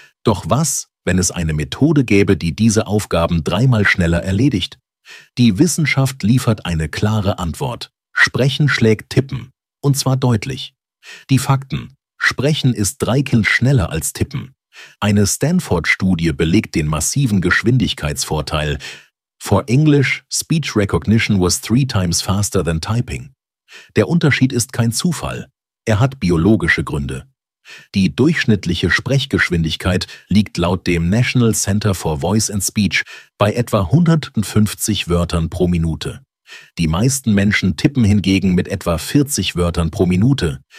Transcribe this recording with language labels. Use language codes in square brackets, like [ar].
[de] Doch was, wenn es eine Methode gäbe, die diese Aufgaben dreimal schneller erledigt? Die Wissenschaft liefert eine klare Antwort. Sprechen schlägt Tippen. Und zwar deutlich. Die Fakten. Sprechen ist 3 Kilometer schneller als Tippen. Eine Stanford-Studie belegt den massiven Geschwindigkeitsvorteil. [en] For English, speech recognition was 3 times faster than typing. [de] Der Unterschied ist kein Zufall. Er hat biologische Gründe. Die durchschnittliche Sprechgeschwindigkeit liegt laut dem National Center for Voice and Speech bei etwa 150 Wörtern pro Minute. Die meisten Menschen tippen hingegen mit etwa 40 Wörtern pro Minute.